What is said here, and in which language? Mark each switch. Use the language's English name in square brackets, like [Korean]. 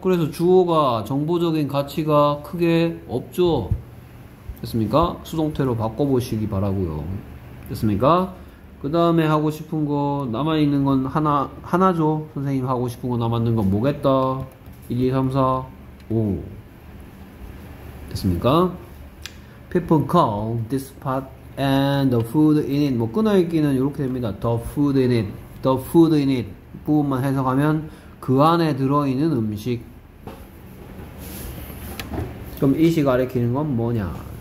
[Korean] 그래서 주어가 정보적인 가치가 크게 없죠. 됐습니까? 수동태로 바꿔보시기 바라고요. 됐습니까? 그 다음에 하고 싶은 거 남아있는 건 하나죠. 선생님 하고 싶은 거 남았는 건 뭐겠다? 1, 2, 3, 4, 5. 됐습니까? [English] People call this pot and the food in it. [Korean] 뭐 끊어있기는 이렇게 됩니다. [English] The food in it. The food in it. [Korean] 부분만 해석하면 그 안에 들어있는 음식. 그럼 이 식 가리키는 건 뭐냐?